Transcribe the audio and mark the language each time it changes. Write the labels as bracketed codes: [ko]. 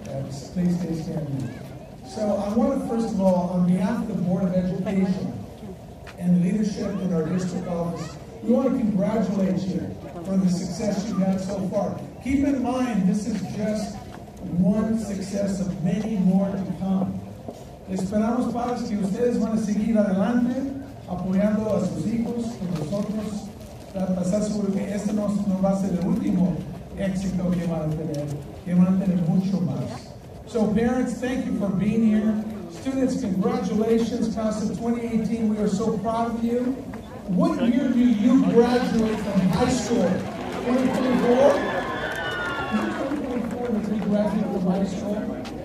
[en] Stay standing. So I want to, first of all, on behalf of the Board of Education and the leadership in our district office, we want to congratulate you for the success you've had so far. Keep in mind, this is just one success of many more to come. [es] Esperamos padres que ustedes van a seguir adelante apoyando a sus hijos con nosotros para pasar seguro que este no va a ser el último éxito que van a tener mucho más. [en] So parents, thank you for being here. Students, congratulations, class of 2018. We are so proud of you. What year do you graduate from high school? 2024? In 2024, did you graduate from high school?